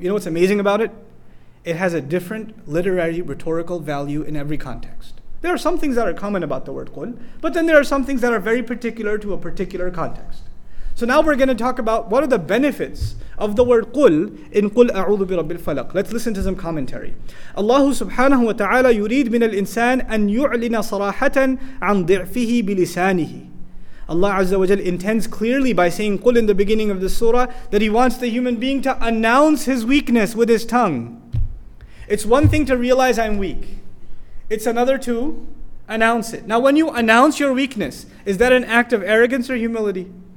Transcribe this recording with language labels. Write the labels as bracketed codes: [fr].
[en] You know what's amazing about it? It has a different literary rhetorical value in every context. There are some things that are common about the word قُل, but then there are some things that are very particular to a particular context. So now we're going to talk about what are the benefits of the word قُل in [ar] قُل أَعُوذُ بِرَبِّ الْفَلَقِ. [en] Let's listen to some commentary. [ar] Allah subhanahu wa ta'ala يُرِيدْ مِنَ الْإِنسَانِ أَنْ يُعْلِنَ صَرَاحَةً عَنْ ضِعْفِهِ بِلِسَانِهِ. [en] Allah Azza wa Jal intends clearly by saying قُل in the beginning of the surah that He wants the human being to announce his weakness with his tongue. It's one thing to realize I'm weak. It's another to announce it. Now when you announce your weakness, is that an act of arrogance or humility?